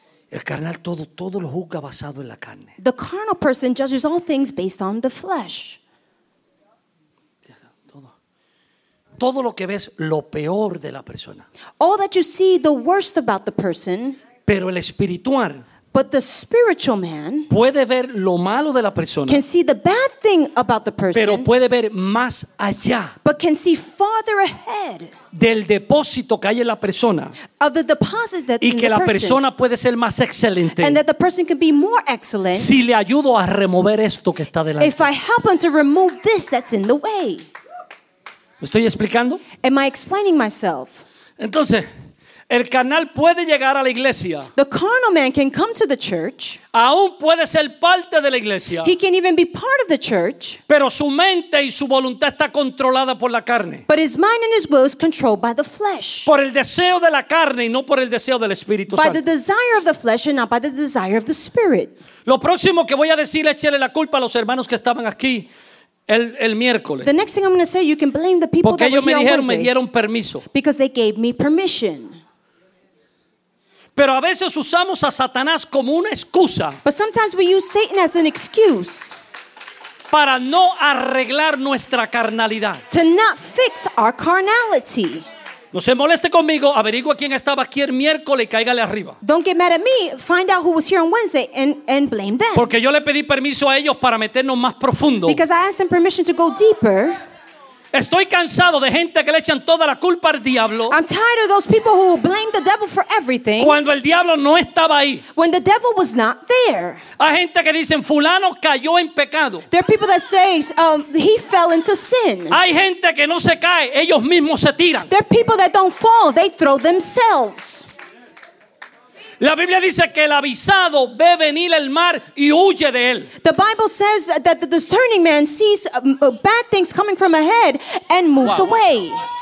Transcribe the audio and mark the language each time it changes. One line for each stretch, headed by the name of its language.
Spanish: El carnal todo lo juzga basado en la carne.
English: The carnal person judges all things based on the flesh.
Spanish: Todo lo que ves lo peor de la persona.
English: All that you see the worst about the person.
Spanish: Pero el espiritual.
English: But the spiritual man
Spanish: puede ver lo malo de la persona,
English: can see the bad thing about the person,
Spanish: pero puede ver más allá,
English: but can see farther ahead
Spanish: del depósito que hay en la persona,
English: of the deposit that's
Spanish: y que
English: in
Spanish: la
English: the person,
Spanish: persona puede ser más excelente,
English: and that the person can be more excellent,
Spanish: si le ayudo a remover esto que está delante.
English: If I help him to remove this that's in the way.
Spanish: ¿Me estoy explicando?
English: Am I explaining myself?
Spanish: Entonces, el carnal puede llegar a la iglesia.
English: The carnal man can come to the church.
Spanish: Aún puede ser parte de la iglesia.
English: He can even be part of the church.
Spanish: Pero su mente y su voluntad está controlada por la carne.
English: But his mind and his will is controlled by the flesh.
Spanish: Por el deseo de la carne y no por el deseo del Espíritu Santo.
English: By the desire of the flesh and not by the desire of the Spirit.
Spanish: Lo próximo que voy a decir, échele la culpa a los hermanos que estaban aquí. El miércoles.
English: The next thing I'm going to say, you can blame the people
Spanish: porque
English: that were
Spanish: dijeron,
English: here
Spanish: Wednesday. Porque ellos me dijeron, me dieron
English: permiso. Because they gave me permission.
Spanish: Pero a veces usamos a Satanás como una excusa.
English: But sometimes we use Satan as an excuse.
Spanish: Para no arreglar nuestra carnalidad.
English: To not fix our carnality.
Spanish: No se moleste conmigo, averigua quién estaba aquí el miércoles y cáigale arriba.
English: Don't get mad at me, find out who was here on Wednesday and blame them.
Spanish: Porque yo le pedí permiso a ellos para meternos más profundo.
English: Because I asked them permission to go deeper.
Spanish: Estoy cansado de gente que le echan toda la culpa al diablo.
English: I'm tired of those people who blame the devil for everything.
Spanish: Cuando el diablo no estaba ahí.
English: When the devil was not there.
Spanish: Hay gente que dicen fulano cayó en pecado.
English: There are people that say he fell into sin.
Spanish: Hay gente que no se cae, ellos mismos se tiran.
English: There are people that don't fall, they throw themselves.
Spanish: La Biblia dice que el avisado ve venir el mar y huye de él.
English: The Bible says that the discerning man sees bad things coming from ahead and moves away.